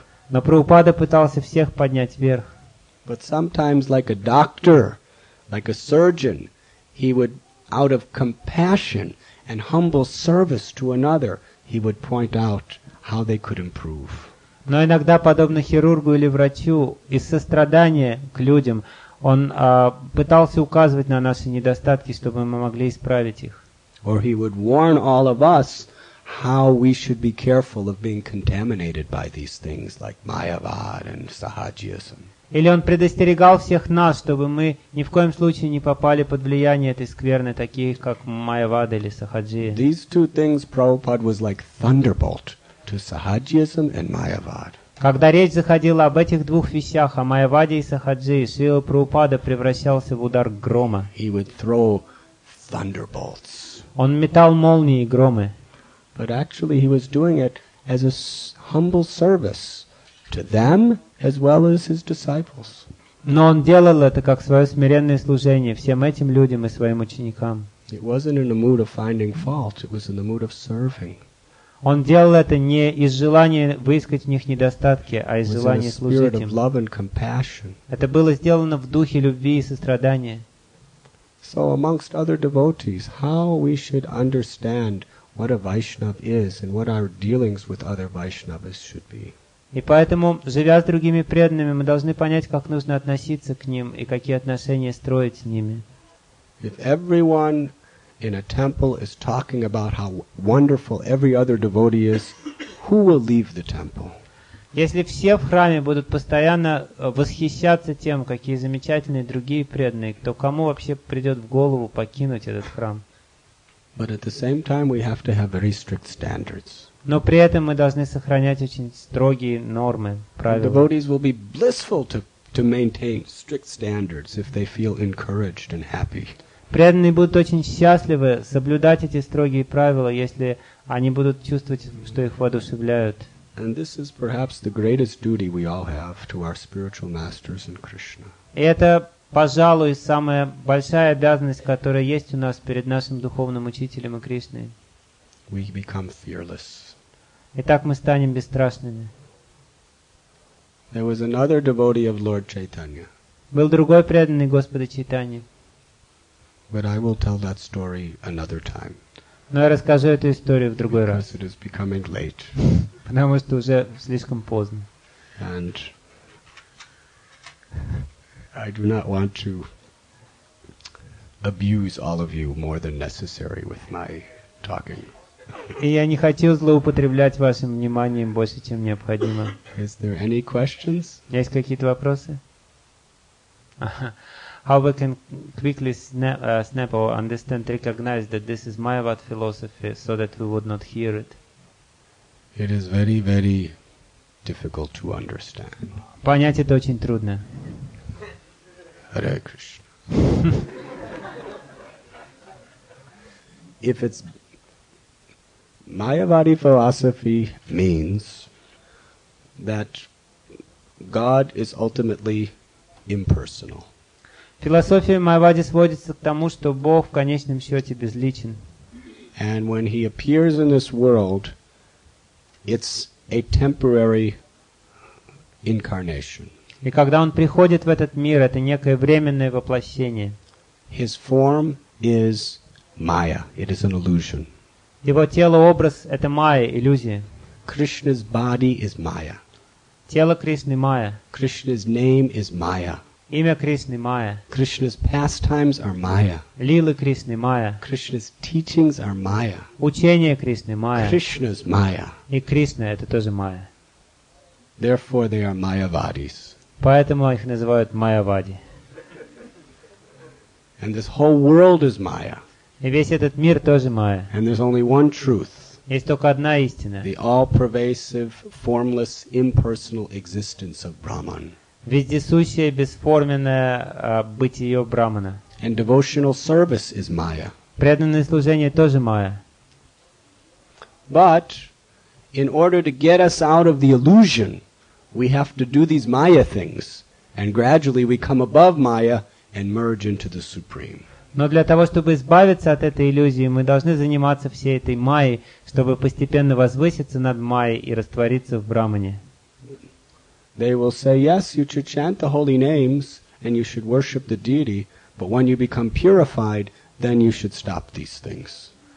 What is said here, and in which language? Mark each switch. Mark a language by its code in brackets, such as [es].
[ru] Но Прабхупада пытался всех поднять вверх. [en] But sometimes, like a doctor, like a surgeon, he would, out of compassion and humble service to another, he would point out how they could improve. [ru] Но иногда, подобно хирургу или врачу, из сострадания к людям, он пытался указывать на наши недостатки, чтобы мы могли исправить их. [en] Or he would warn all of us how we should be careful of being contaminated by these things like Mayavad and Sahajism. [ru] Или он предостерегал всех нас, чтобы мы ни в коем случае не попали под влияние этой скверны, таких как Майявада или Сахаджия. [en] These two things Prabhupada was like thunderbolt to Sahajism and Mayavad. [ru] Когда речь заходила об этих двух вещах, о Майаваде и Сахаджи, Шрила Прабхупада превращался в удар грома. [en] He would throw thunderbolts. [ru] Он метал молнии и громы. [en] But actually he was doing it as a humble service to them as well as his disciples. [ru] Но он делал это как свое смиренное служение всем этим людям и своим ученикам. [en] It wasn't in the mood of finding fault, it was in the mood of serving. [ru] Он делал это не из желания выискать в них недостатки, а из желания служить им. Это было сделано в духе любви и сострадания. [en] So amongst other devotees, how we should understand what a Vaishnav is and what our dealings with other Vaishnavas should be. [ru] И поэтому, живя с другими преданными, мы должны понять, как нужно относиться к ним и какие отношения строить с ними. [en] If everyone in a temple is talking about how wonderful every other devotee is, who will leave the temple? [ru] Если все в храме будут постоянно восхищаться тем, какие замечательные другие преданные, то кому вообще придет в голову покинуть этот храм? [en] But at the same time, we have to have very strict standards. [ru] Но при этом мы должны сохранять очень строгие нормы, правила. [en] Devotees will be blissful to maintain strict standards if they feel encouraged and happy. [ru] Преданные будут очень счастливы соблюдать эти строгие правила, если они будут чувствовать, что их воодушевляют. [en] And this is perhaps the greatest duty we all have to our spiritual masters in Krishna. [ru] И это, пожалуй, самая большая обязанность, которая есть у нас перед нашим духовным учителем и Кришной. [en] We become fearless. [ru] Итак, мы станем бесстрашными. [en] There was another devotee of Lord Chaitanya. [ru] Был другой преданный Господа Чайтаньи. [en] But I will tell that story another time. [ru] Но я расскажу эту историю в другой раз. [en] Because it is becoming late. [ru] Потому что уже слишком поздно. [en] And I do not want to abuse all of you more than necessary with my talking. [ru] И я не хотел злоупотреблять вашим вниманием больше, чем необходимо. [en] Is there any questions? [ru] Есть какие-то вопросы? [en] How we can quickly snap or understand, recognize that this is Mayavad philosophy so that we would not hear it? It is very, very difficult to understand. [ru] Понять это очень трудно. [en] Hare Krishna. If it's Mayavadi philosophy means that God is ultimately impersonal. [ru] Философия Майявады сводится к тому, что Бог в конечном счете безличен. [en] And when he appears in this world, it's a temporary incarnation. [ru] И когда он приходит в этот мир, это некое временное воплощение. [en] His form is Maya. It is an illusion. [ru] Его тело, образ — это Майя, иллюзия. [en] Krishna's body is Maya. [ru] Тело Кришны — Майя. [en] Krishna's name is Maya. [ru] Имя Кришны — Майя. [en] Krishna's pastimes are Maya. [ru] Лилы Кришны — Майя. [en] Krishna's teachings are Maya. [ru] Учение Кришны — Майя. [en] Krishna's Maya. [ru] И Кришна — это тоже Майя. [en] Therefore, they are Mayavadis. [ru] Поэтому их называют Майявади. [en] And this whole world is Maya. [ru] И весь этот мир тоже Майя. [en] And there's only one truth. [ru] Есть только одна истина. [en] The all-pervasive, formless, impersonal existence of Brahman. [ru] Вездесущее, бесформенное бытие Брахмана. [en] And devotional service is Maya. [ru] Преданное служение тоже Майя. [en] But in order to get us out of the illusion, we have to do these Maya things, and gradually we come above Maya and merge into the Supreme. [ru] Но для того, чтобы избавиться от этой иллюзии, мы должны заниматься всей этой Майей, чтобы постепенно возвыситься над Майей и раствориться в Брахмане. [en] They will say, yes, you should chant the holy names and you should worship the deity, but when you become purified, then you should stop these things.